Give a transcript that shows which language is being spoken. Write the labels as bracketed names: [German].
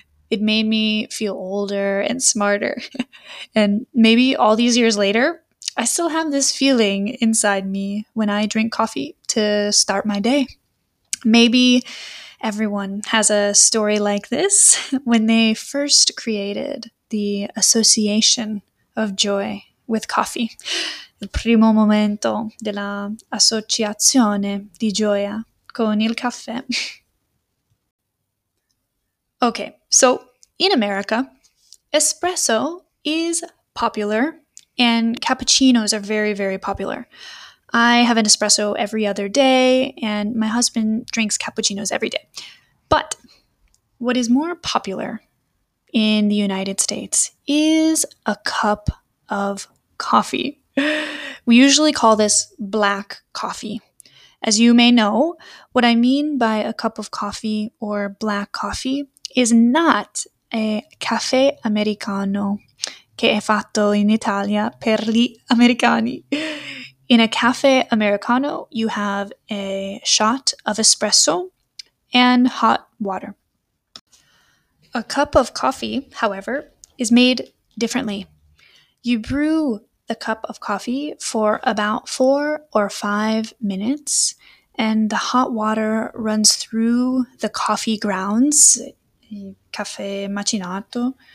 [English] It made me feel older and smarter. And maybe all these years later, I still have this feeling inside me when I drink coffee to start my day. Maybe everyone has a story like this when they first created the association of joy with coffee. [Italian] Il primo momento della associazione di gioia con il caffè. [English] Okay, so in America, espresso is popular and cappuccinos are very, very popular. I have an espresso every other day, and my husband drinks cappuccinos every day. But what is more popular in the United States is a cup of coffee. We usually call this black coffee. As you may know, what I mean by a cup of coffee or black coffee is not [Italian] è caffè americano, che è fatto in Italia per gli americani. [English] In a caffè americano, you have a shot of espresso and hot water. A cup of coffee, however, is made differently. You brew the cup of coffee for about 4 or 5 minutes, and the hot water runs through the coffee grounds, [Italian] caffè macinato.